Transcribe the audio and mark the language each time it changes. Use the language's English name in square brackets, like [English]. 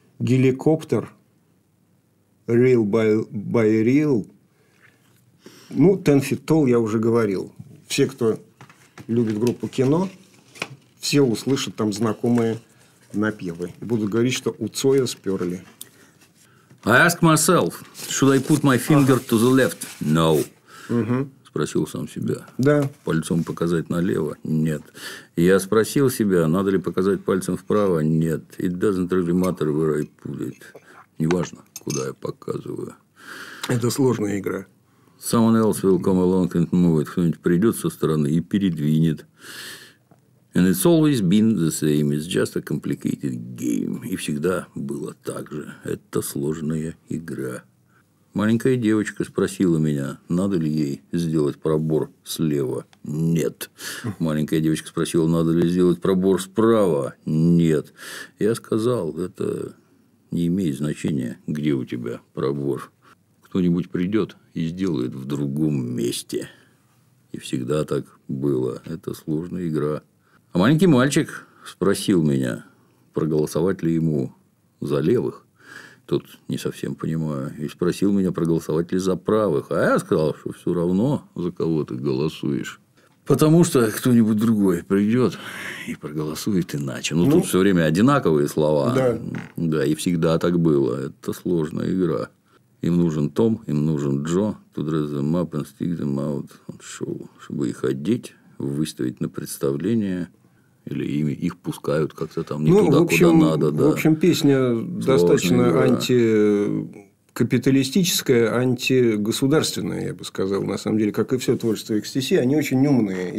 [Russian] Геликоптер. Real by Real. Ну, Ten Feet Tall я уже говорил. Все, кто любит группу Кино, все услышат там знакомые напевы. И будут говорить, что у Цоя сперли. [English] I ask myself, should I put my finger to the left? No. [Russian] Спросил сам себя. Да. Пальцем показать налево? Нет. Я спросил себя, надо ли показать пальцем вправо? Нет. [English] It doesn't really matter where I put it. [Russian] Неважно, куда я показываю. Это сложная игра. [English] Someone else will come along and move it. [Russian] Кто-нибудь придет со стороны и передвинет. [English] And it's always been the same. It's just a complicated game. [Russian] И всегда было так же. Это сложная игра. Маленькая девочка спросила меня, надо ли ей сделать пробор слева? Нет. Маленькая девочка спросила, надо ли сделать пробор справа? Нет. Я сказал, это не имеет значения, где у тебя пробор. Кто-нибудь придет и сделает в другом месте. И всегда так было. Это сложная игра. А маленький мальчик спросил меня, проголосовать ли ему за левых. Тут не совсем понимаю. И спросил меня, проголосовать ли за правых. А я сказал, что все равно, за кого ты голосуешь. Потому что кто-нибудь другой придет и проголосует иначе. Ну, тут все время одинаковые слова. Да. Да, и всегда так было. Это сложная игра. Им нужен Том, им нужен Джо. [English] To dress them up and stick them out on show. [Russian] Чтобы их одеть, выставить на представление... Или ими их пускают как-то там не туда, общем, куда надо. Да. В общем, песня сложная, достаточно антикапиталистическая, антигосударственная, я бы сказал, на самом деле, как и все творчество XTC, они очень умные.